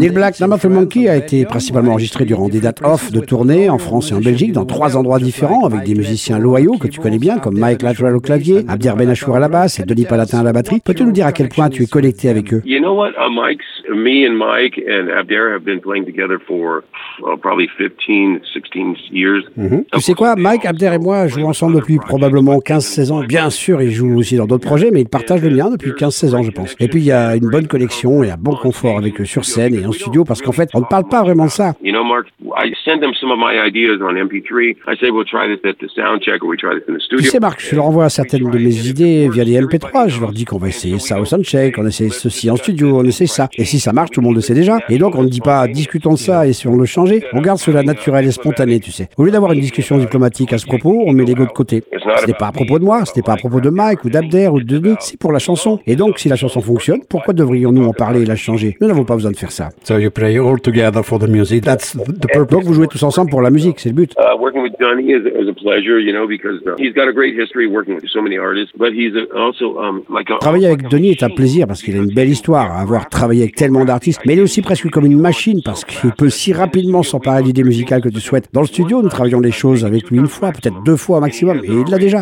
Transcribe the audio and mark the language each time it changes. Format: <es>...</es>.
<fr>Neil Black, Number 3 Monkey a été principalement enregistré durant des dates off de tournée en France et en Belgique, dans trois endroits différents, avec des musiciens loyaux que tu connais bien, comme Mike Lateral au clavier, Abdir Benachour à la basse et Denis Palatin à la batterie. Peux-tu nous dire à quel point tu es connecté avec eux?</fr> <en>You know what, me and Mike and Abdir have been playing together for probably 15, 16 years.</en> <fr>Tu sais quoi, Mike, Abdir et moi jouons ensemble depuis probablement 15, 16 ans. Bien sûr, ils jouent aussi dans d'autres projets, mais ils partagent le mien depuis 15, 16 ans. Je pense. Et puis il y a une bonne connexion et un bon confort avec eux sur scène et en studio parce qu'en fait on ne parle pas vraiment de ça.</fr> <en>You know, Mark, I send them some of my ideas on MP3. I say we'll try this at the sound check or we try this in the studio.</en> <fr>Tu sais, Mark, je leur envoie certaines de mes idées via les MP3. Je leur dis qu'on va essayer ça au sound check, on essaie ceci en studio, on essaie ça. Et si ça marche, tout le monde le sait déjà. Et donc on ne dit pas discutons de ça et si on le change, on garde cela naturel et spontané, tu sais. Au lieu d'avoir une discussion diplomatique à ce propos, on met l'ego de côté. Ce n'est pas à propos de moi, ce n'est pas à propos de Mike ou d'Abder ou de Denis, c'est pour la chanson. Et donc si la chanson fonctionne, pourquoi devrions-nous en parler et la changer? Nous n'avons pas besoin de faire ça.</fr> <en>So you play all together for the music. That's the purpose.</en> <fr>Donc vous jouez tous ensemble pour la musique, c'est le but.</fr> <en>Working with Johnny is a pleasure, you know, because he's got a great history working with so many artists, but he's also like</en> <fr>travailler avec Denis est un plaisir parce qu'il a une belle histoire à avoir travaillé avec tellement d'artistes, mais il est aussi presque comme une machine parce qu'il peut si rapidement s'emparer d'idées musicales que tu souhaites. Dans le studio, nous travaillons les choses avec lui une fois, peut-être deux fois au maximum, et il l'a déjà.</fr>